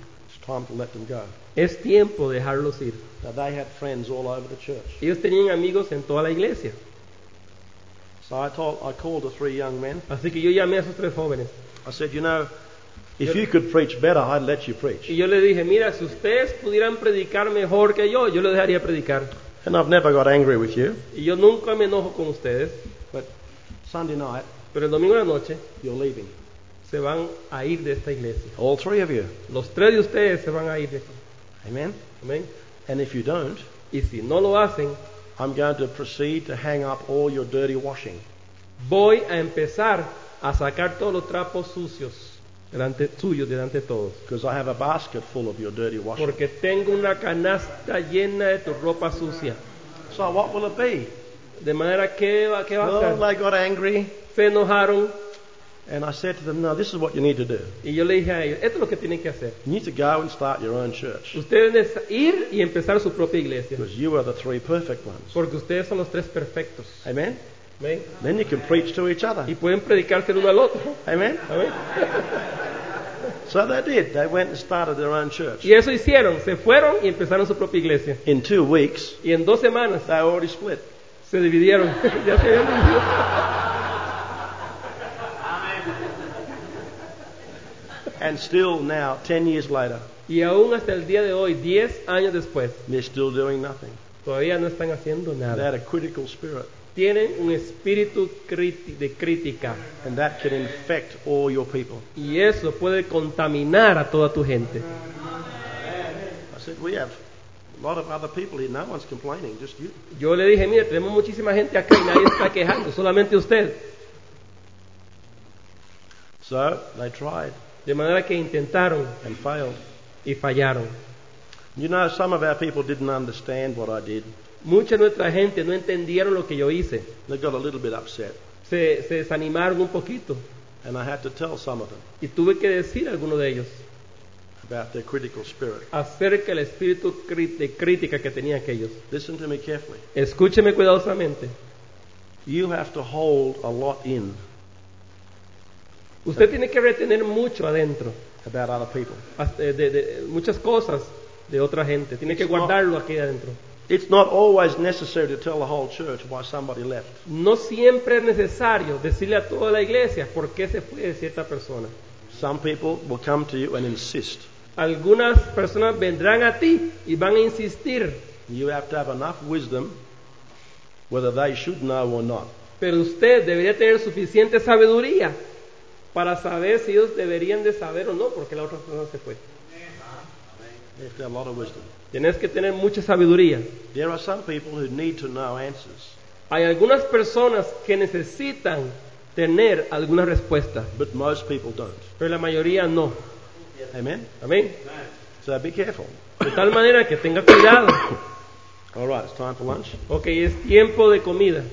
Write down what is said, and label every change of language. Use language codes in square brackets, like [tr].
[en] it's time to let them go. [es] Es tiempo de dejarlos ir. [en] Now they had friends all over the church. [es] Ellos tenían amigos en toda la iglesia. [en] So I called the 3 young men. [es] Así que yo llamé a esos 3 jóvenes. [en] I said, you know, if you could preach better, I'd let you preach. [es] Y yo le dije, mira, si ustedes pudieran predicar mejor que yo lo dejaría predicar. [en] And I've never got angry with you. [es] Y yo nunca me enojo con ustedes. [en] But Sunday night, [es] pero el domingo de la noche, [en] you're leaving. [es] Se van a ir de esta iglesia. [en] All 3 of you. [es] Los 3 de ustedes se van a ir de aquí. [en] Amen. [es] Amen. [en] And if you don't, [es] y si no lo hacen, [en] I'm going to proceed to hang up all your dirty washing. [es] Voy a empezar a sacar todos los trapos sucios. Delante tuyo, delante de todos. [en] Because I have a basket full of your dirty washing. [es] Porque tengo una canasta llena de tu ropa sucia. [en] So what will it be? [es] De manera que va a ser. [en] No, I got angry. [es] Se enojaron. [en] And I said to them, no, this is what you need to do. [es] Y yo le dije a ellos, esto es lo que tienen que hacer. [en] You need to go and start your own church. [es] Ustedes deben ir y empezar su propia iglesia. [en] Because you are the 3 perfect ones. [es] Porque ustedes son los 3 perfectos. [en] Amen. [es] Amen. [en] Then you can preach to each other. [es] Y pueden predicarse el uno al otro. [en] Amen. [es] Amen. [en] So they did. They went and started their own church. [es] Y eso hicieron. Se fueron y empezaron su propia iglesia. [en] In 2 weeks. [es] Y en 2 semanas. [en] They already split. [es] Se dividieron. Ya se habían dividido. [en] Amen. And still now, 10 years later. [es] Y aún hasta el día de hoy, 10 años después. [en] They're still doing nothing. [es] Todavía no están haciendo nada. [en] They had a critical spirit. [es] Tienen un espíritu de crítica. [en] And that can infect all your people. [es] Y eso puede contaminar a toda tu gente. [en] I said, we have a lot of other people here. No one's complaining, just you. [es] Yo le dije, mire, tenemos muchísima gente acá y nadie está quejando, solamente usted. [en] So, they tried. [es] De manera que intentaron. [en] And failed. [es] Y fallaron. [en] You know, some of our people didn't understand what I did. [es] Mucha nuestra gente no entendieron lo que yo hice. [en] They got a little bit upset. [es] Se desanimaron un poquito. [en] And I had to tell some of them. [es] Y tuve que decir a alguno de ellos. [en] About their critical spirit. [es] Acerca del espíritu de crítica que tenían aquellos. [en] Listen to me carefully. [es] Escúcheme cuidadosamente. [en] You have to hold a lot in. [es] Usted tiene que retener mucho adentro. [en] About other people. [es] Muchas cosas de otra gente. Tiene que guardarlo aquí adentro. [en] It's not always necessary to tell the whole church why somebody left. [es] No siempre es necesario decirle a toda la iglesia por qué se fue cierta persona. [en] Some people will come to you and insist. [es] Algunas personas vendrán a ti y van a insistir. [en] You have to have enough wisdom, whether they should know or not. [es] Pero usted debería tener suficiente sabiduría para saber si ellos deberían de saber o no por qué la otra persona se fue. [en] A lot of wisdom. [es] Tienes que tener mucha sabiduría. [en] There are some people who need to know answers. [es] Hay algunas personas que necesitan tener alguna respuesta. [en] But most people don't. [es] Pero la mayoría no. [en] Amen. [es] Amen. [en] So be careful. [es] De tal manera que tenga cuidado. [en] All right, it's time for lunch. [es] Okay, es tiempo de comida.